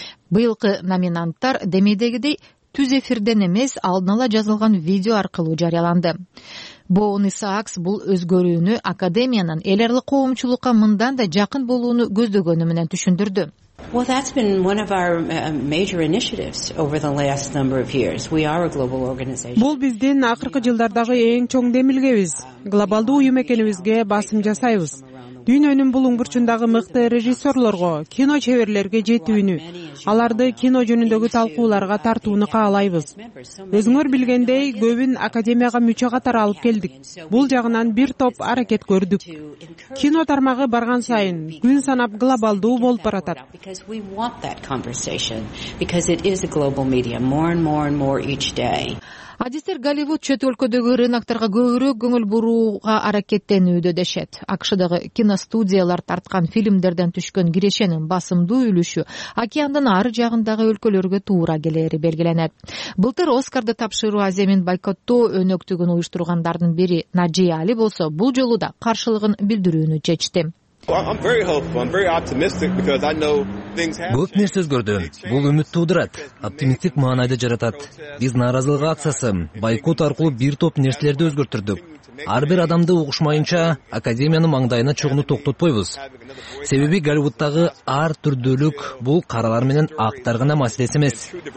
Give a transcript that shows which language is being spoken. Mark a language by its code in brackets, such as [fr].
[ky] Быйылкы номинанттар демейдегидей түз эфирден эмес алдын ала жазылган видео аркылуу жарыяланды. Боун Исаакс бул өзгөрүүнү академиянын эл аралык коомчулукка мындан да жакын болууну көздөгөнү менен түшүндүрдү. [en] Well, that's been one of our major initiatives over the last number of years. We are a global organization. [ky] Бул биздин акыркы жылдардагы эң чоң демилгебиз. Глобалдуу уюм экенибизге басым жасайбыз. Дүйнөнүн бул уңгурчундагы мыкты режиссерлорго, кино чеберлерге жетүүнү, аларды кино жөнүндөгү талкууларга тартууну каалайбыз. Өзүңөр билгендей, көбүн академияга мүчө катары алып келдик. Бул жагынан бир топ аракет көрдүк. Кино тармагы барган сайын күн санап глобалдуу болуп баратат. [en] Because we want that conversation because it is a global media more and more and more each day. [ky] Адистер Голливуд чет өлкөдөгү рынокторго көбүрөөк көңүл бурууга аракеттенүүдө дешет. АКШ-дагы киностудиялар тарткан фильмдерден түшкөн кирешенин басымдуу үлүшү океандын ары жагындагы өлкөлөргө туура келери белгиленет. Былтыр Оскарды тапшыруу аземин бойкоттоо өнөктүгүн уюштургандардын бири Наджия Али болсо, бул жолу да каршылыгын билдирүүнү чечти. [en] I'm very hopeful. I'm very optimistic because I know things happen. [ky] Көп нерсе өзгөрдү. Бул үмүт туудурат, оптимистик маанайды жаратат. Биз нааразылык акциясы, бойкот аркылуу бир топ нерселерди өзгөртүрдүк. Ар бир адамды угушмайынча академиянын маңдайына чогуну токтотпойбуз. Себеби Голливуддагы ар түрдүүлүк бул каралар менен актар гана маселеси эмес.